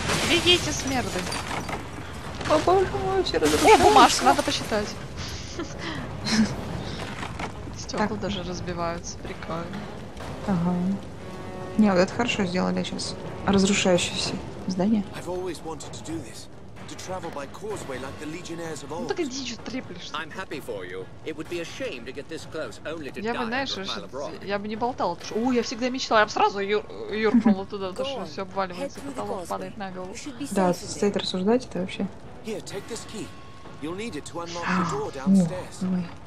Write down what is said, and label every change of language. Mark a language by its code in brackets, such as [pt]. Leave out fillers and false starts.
[ru] Бегите, смерды. О боже мой, все разрушилось. О, бумажка, надо посчитать. Стекла даже разбиваются, прикольно. Ага. Не, вот это хорошо сделали сейчас. Разрушающееся здание. [en] I've always wanted to do this. To travel by causeway like the legionnaires of old. [ru] Ну так иди, что треплешься. [en] I'm happy for you. It would be a shame to get this close only to die. [ru] Я бы не болтала. Что... я всегда мечтала, я бы сразу юркнула туда, потому что все обваливается, потолок падает на голову. Да, стоит рассуждать это вообще. [en] Here, take this key. You'll need it to unlock the door downstairs.